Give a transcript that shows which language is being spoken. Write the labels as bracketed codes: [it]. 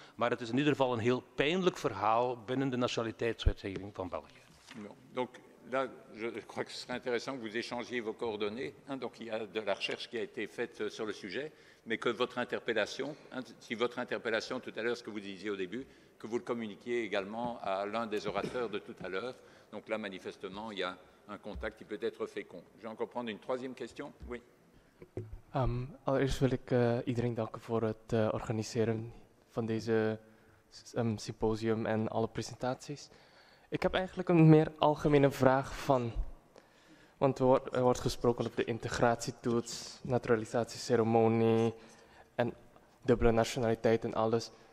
[nl] Maar het is in ieder geval een heel pijnlijk verhaal binnen de nationaliteitswetgeving van België. [fr] Donc là, je crois que ce serait intéressant que vous échangiez vos coordonnées. Donc il y a de la recherche qui a été faite sur le sujet, mais que votre interpellation, si votre interpellation tout à l'heure, ce que vous disiez au début, que vous le communiquiez également à l'un des orateurs de tout à l'heure. Donc là, manifestement, il y a un contact qui peut être fécond. Je vais encore prendre une troisième question. Oui. [nl] Allereerst wil ik iedereen danken voor het organiseren van deze symposium en alle presentaties. Ik heb eigenlijk een meer algemene vraag van, want er wordt gesproken op de integratietoets, naturalisatieceremonie en dubbele nationaliteit en alles.